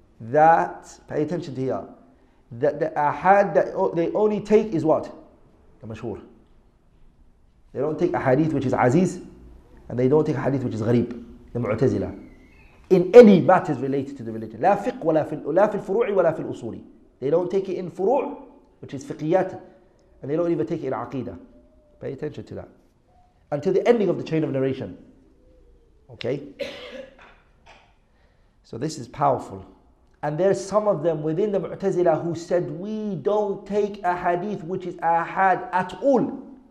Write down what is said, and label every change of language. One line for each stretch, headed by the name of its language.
English: that, pay attention to here, that the ahad that they only take is what? The mashhur. They don't take a hadith which is aziz, and they don't take a hadith which is gharib, the mu'tazila, in any matters related to the religion.
Arabic: لا فقه ولا في الفروع ولا في الأصول.
English: They don't take it in فروع, which is fiqhiyat, and they don't even take it in aqidah. Pay attention to that. Until the ending of the chain of narration. Okay? So this is powerful. And there's some of them within the Mu'tazila who said, we don't take a hadith which is ahad at all.